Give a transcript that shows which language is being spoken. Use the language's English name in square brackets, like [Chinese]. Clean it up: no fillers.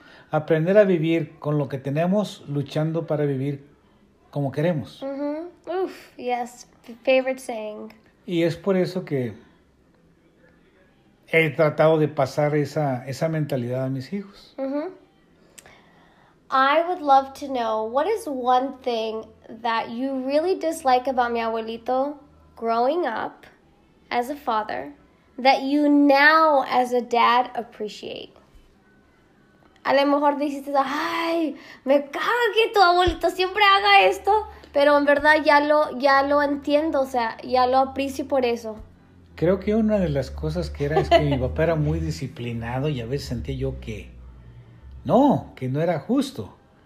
[Spanish] Aprender a vivir con lo que tenemos, luchando para vivir como queremos. [English] Oof, yes, favorite saying. [Spanish] Y es por eso que he tratado de pasar esa mentalidad a mis hijos. [English] I would love to know, what is one thing that you really dislike about mi abuelito growing up as a father that you now as a dad appreciate? [Spanish] A lo mejor dijiste, ay, me caga que tu abuelito siempre haga esto, pero en verdad ya lo entiendo, o sea, ya lo aprecio por eso. Creo que una de las cosas que era es que mi papá era muy disciplinado y a veces sentía yo que no era justo.